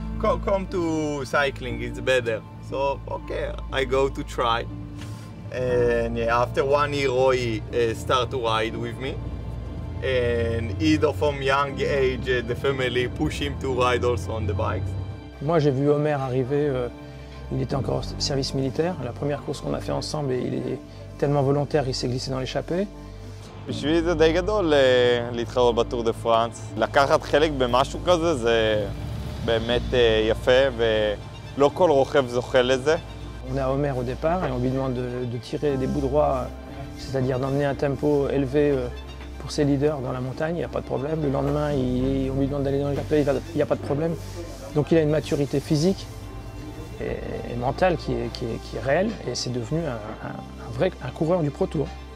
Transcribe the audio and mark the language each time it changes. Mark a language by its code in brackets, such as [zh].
[en] Come to cycling, it's better. So, okay, I go to try. And yeah, after 1 year, Roy start to ride with me. And either from young age, the family push him to ride also on the bikes. [fr] Moi, j'ai vu Omer arriver. Il était encore au service militaire. La première course qu'on a fait ensemble, il est tellement volontaire, il s'est glissé dans l'échappée. [he] בשבילי זה די גדול להתחרות בטור דה פרנס. לקחת חלק במשהו כזה זה באמת יפה, ולא כל רוכב זוכה לזה. [fr] On est à Omer au départ et on lui demande de tirer des bouts droits, c'est-à-dire d'emmener un tempo élevé pour ses leaders dans la montagne, il n'y a pas de problème. Le lendemain, on lui demande d'aller dans l'échappée, il n'y a pas de problème. Donc il a une maturité physique et mentale qui est réelle et c'est devenu un vrai coureur du Pro Tour.